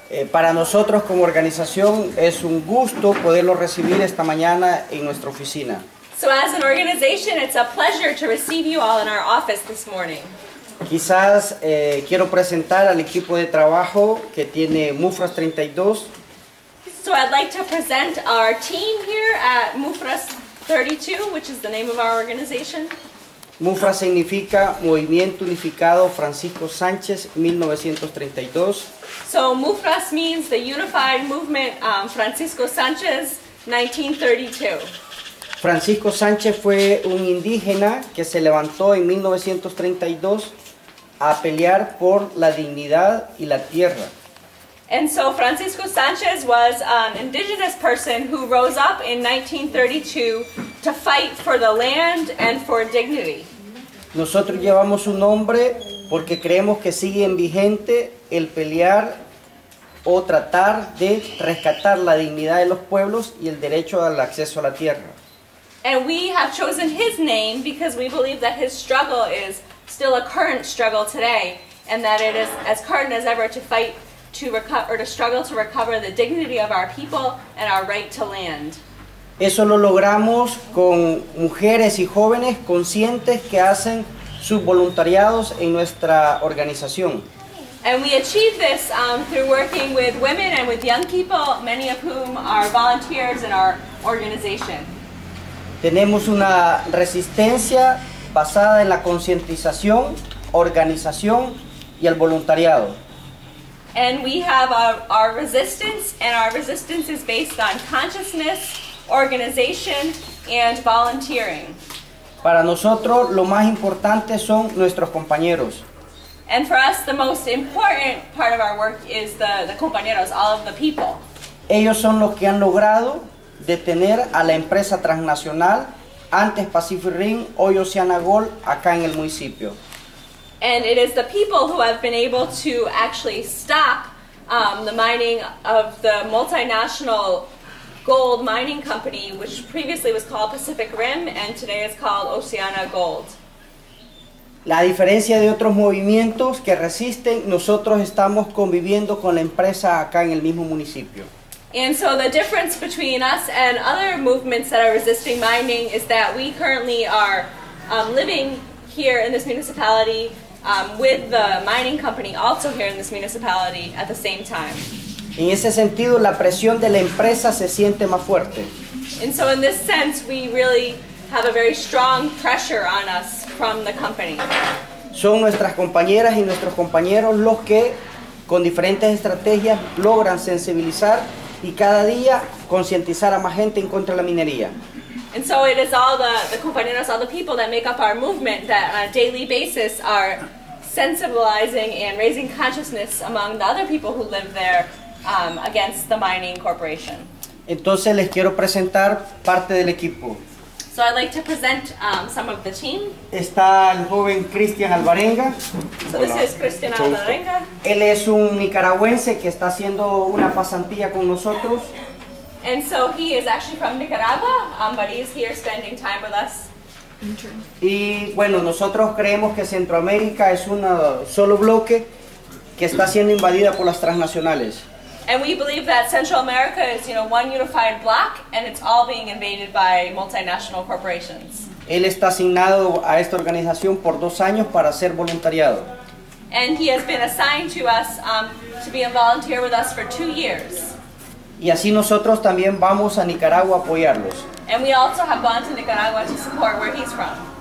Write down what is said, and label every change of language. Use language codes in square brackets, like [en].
[es] Para nosotros como organización es un gusto poderlo recibir esta mañana en nuestra oficina. [en] So as an organization, it's a pleasure to receive you all in our office this morning. [es] Quizás quiero presentar al equipo de trabajo que tiene MUFRAS-32. [en] So I'd like to present our team here at MUFRAS-32, which is the name of our organization. [es] MUFRAS significa Movimiento Unificado Francisco Sánchez 1932. [en] So MUFRAS means the Unified Movement Francisco Sánchez 1932. [es] Francisco Sánchez fue un indígena que se levantó en 1932 a pelear por la dignidad y la tierra. [en] And so Francisco Sánchez was an indigenous person who rose up in 1932 to fight for the land and for dignity. [es] Nosotros llevamos su nombre porque creemos que sigue en vigente el pelear o tratar de rescatar la dignidad de los pueblos y el derecho al acceso a la tierra. [en] And we have chosen his name because we believe that his struggle is still a current struggle today, and that it is as current as ever to fight to recover, or to struggle to recover the dignity of our people and our right to land. [es] Eso lo logramos con mujeres y jóvenes conscientes que hacen sus voluntariados en nuestra organización. [en] And we achieve this through working with women and with young people, many of whom are volunteers in our organization. [es] Tenemos una resistencia basada en la concientización, organización y el voluntariado. [en] And we have our resistance, and our resistance is based on consciousness, organization, and volunteering. [es] Para nosotros, lo más importante son nuestros compañeros. [en] And for us, the most important part of our work is the compañeros, all of the people. [es] Ellos son los que han logrado detener a la empresa transnacional, antes Pacific Rim, hoy Oceana Gold, acá en el municipio. [en] And it is the people who have been able to actually stop the mining of the multinational gold mining company, which previously was called Pacific Rim and today is called Oceana Gold. [es] La diferencia de otros movimientos que resisten, nosotros estamos conviviendo con la empresa acá en el mismo municipio. [en] And so the difference between us and other movements that are resisting mining is that we currently are living here in this municipality with the mining company also here in this municipality at the same time. [es] En ese sentido, la presión de la empresa se siente más fuerte. [en] And so in this sense, we really have a very strong pressure on us from the company. [es] Son nuestras compañeras y nuestros compañeros los que, con diferentes estrategias, logran sensibilizar y cada día concientizar a más gente en contra de la minería. [en] And so it is all the compañeros, all the people that make up our movement that on a daily basis are sensibilizing and raising consciousness among the other people who live there against the mining corporation. [es] Entonces les quiero presentar parte del equipo. [en] So I'd like to present some of the team. [es] Está el joven Cristian Alvarenga. [en] So this is Cristian Alvarenga. [es] Él es un nicaragüense que está haciendo una pasantía con nosotros. [en] And so he is actually from Nicaragua, but he's here spending time with us. [es] Y bueno, nosotros creemos que Centroamérica es un solo bloque que está siendo invadida por las transnacionales. [en] And we believe that Central America is, you know, one unified block, and it's all being invaded by multinational corporations. [es] Él está asignado a esta organización por 2 años para ser voluntariado. [en] And he has been assigned to us to be a volunteer with us for 2 years. [es] Y así nosotros también vamos a Nicaragua a apoyarlos. [en] And we also have gone to Nicaragua to support where he's from.